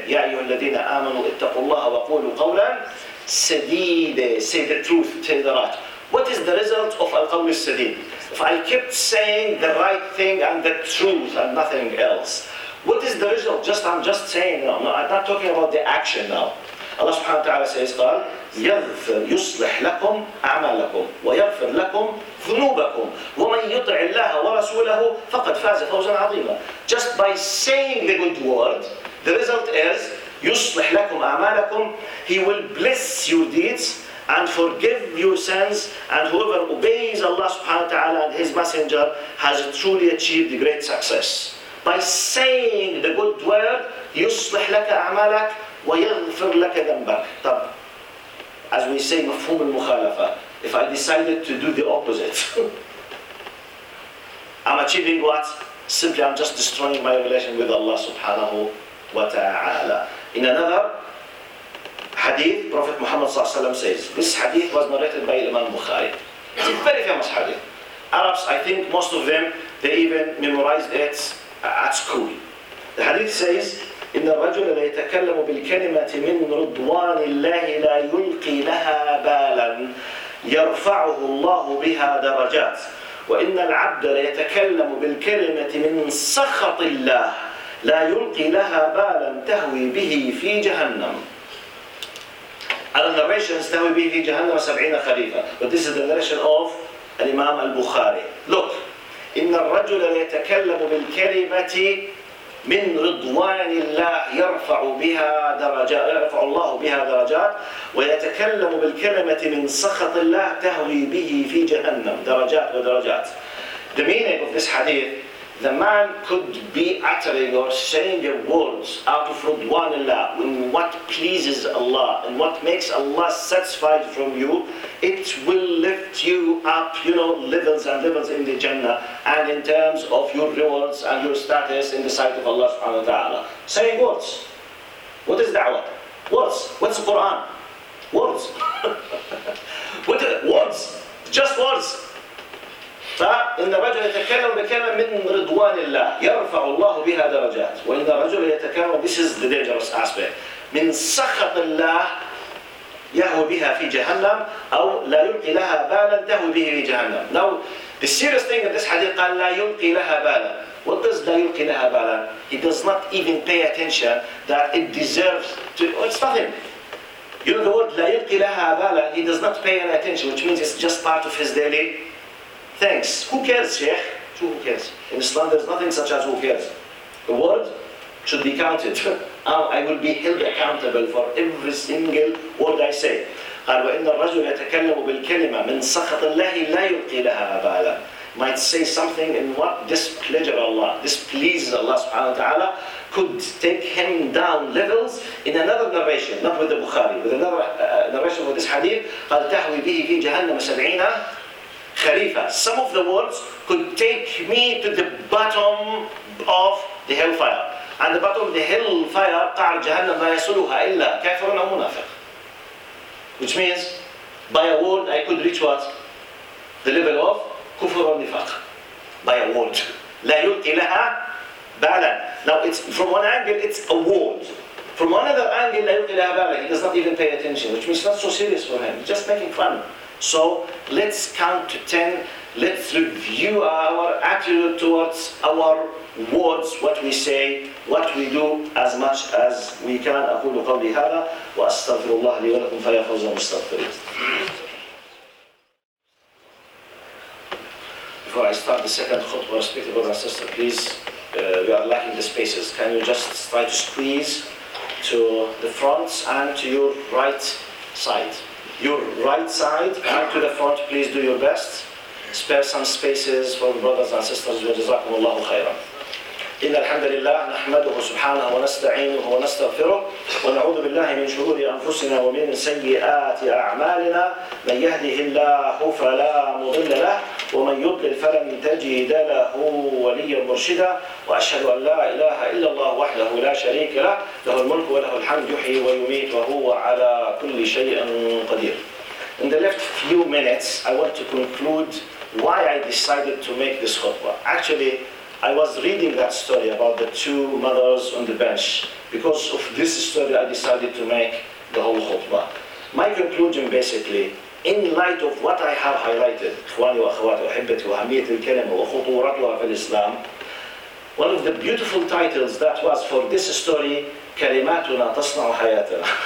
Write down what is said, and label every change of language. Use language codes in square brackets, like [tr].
[ar] يا أيها الذين آمنوا اتقوا الله وقولوا قولا سديدا. [en] Say the truth, tell the right. What is the result of [ar] القول السديد? [en] If I kept saying the right thing and the truth and nothing else, what is the result? I'm just saying now. No, I'm not talking about the action now. [ar] الله سبحانه وتعالى [en] says [ar] قال يغفر يصلح لكم أعمالكم ويغفر لكم ذنوبكم ومن يطع الله ورسوله فقد فاز فوزا عظيما. [en] Just by saying the good word, the result is [ar] يصلح لكم أعمالكم. [en] He will bless your deeds and forgive your sins, and whoever obeys Allah subhanahu wa ta'ala and His Messenger has truly achieved great success. By saying the good word, [ar] يصلح لك أعمالك ويغفر لك ذنبك. طب, [en] as we say, [ar] مفهوم المخالفة. [en] If I decided to do the opposite, I'm achieving what? Simply, I'm just destroying my relation with Allah subhanahu wa ta'ala. In another hadith, Prophet Muhammad sallallahu alaihi wasallam says, this hadith was narrated by Imam Bukhari. It's a very famous hadith. Arabs, I think most of them, they even memorized it at school. The hadith says, [ar] إن الرجل لا يتكلم بالكلمة من رضوان الله لا يلقي لها بالا يرفعه الله بها درجات وإن العبد لا يتكلم بالكلمة من سخط الله لا يلقي لها بالا تهوي به في جهنم. على [en] narrations [ar] تهوي به في جهنم 70 خليفة. [en] But this is the narration of الإمام البخاري. Look, [ar] إن الرجل لا يتكلم بالكلمة من رضوان الله يرفع بها درجات يرفع الله بها درجات ويتكلم بالكلمة من سخط الله تهوي به في جهنم درجات ودرجات. [en] The meaning of this hadith, the man could be uttering or saying the words out of [ar] رضوان الله, [en] in what pleases Allah and what makes Allah satisfied from you, it will lift you up, you know, levels and levels in the Jannah and in terms of your rewards and your status in the sight of Allah subhanahu wa ta'ala. Saying words. What is da'wah? Words. What's the Quran? Words. What is it? Words. Just words. [ar] فإن الرجل يتكلم بكلمة من رضوان الله يرفع الله بها درجات وإن الرجل يتكلم [en] this is the dangerous aspect [ar] من سخط الله يهوي بها في جهنم أو لا يلقي لها بالا تهوي به في جهنم. [en] Now the serious thing in this hadith [ar] قال لا يلقي لها بالا. [en] What does [ar] لا يلقي لها بالا? [en] He does not even pay attention that it deserves to, oh, it's nothing. You know the word [ar] لا يلقي لها بالا, [en] he does not pay any attention, which means it's just part of his daily thanks. Who cares, Sheikh? Who cares? In Islam, there's nothing such as who cares. The word should be counted. I will be held accountable for every single word I say. [ar] قال وإن الرجل يتكلم بالكلمة من سخط الله لا يلقي لها بالا. [en] Might say something in what displeasure Allah, displeases Allah subhanahu wa ta'ala, could take him down levels. In another narration, not with the Bukhari, with another narration with this hadith, [ar] قال تهوي به في جهنم [en] 70 Khalifa, some of the words could take me to the bottom of the hellfire. And the bottom of the hellfire, [ar] قعر جهنم ما يصلها إلا كافر أو منافق. [en] Which means, by a word I could reach what? The level of [ar] كفر ونفاق. [en] By a word. [ar] لا يلقي لها بالا. [en] Now, it's, from one angle, it's a word. From another angle, [ar] لا يلقي لها بالا. [en] He does not even pay attention, which means not so serious for him. Just making fun. So let's count to 10. Let's review our attitude towards our words, what we say, what we do, as much as we can. [ar] أقول قولي هذا وأستغفر الله لي ولكم فيا فوز المستغفرين. [en] Before I start the second khutbah, respected brother and sister, please, we are lacking the spaces. Can you just try to squeeze to the front and to your right side? Your right side, back to the front, please do your best. Spare some spaces for the brothers and sisters. [ar] جزاكم الله خيرا. إن الحمد لله نحمده سبحانه ونستعينه ونستغفره ونعوذ بالله من شرور أنفسنا ومن سيئات أعمالنا. من يهده الله فلا مضل له ومن يضلل فلن تجد له وليا مرشدا. وأشهد أن لا إله إلا الله وحده لا شريك له, له الملك وله الحمد يحيي ويميت وهو على كل شيء قدير. [en] In the left few minutes, I want to conclude why I decided to make this khutbah. Actually, I was reading that story about the two mothers on the bench. Because of this story, I decided to make the whole khutbah. My conclusion basically, in light of what I have highlighted, [ar] إخواني وأخواتي وأحبتي وأهمية الكلمة وخطورتها في الإسلام, [en] one of the beautiful titles that was for this story, [ar] كلماتنا تصنع حياتنا.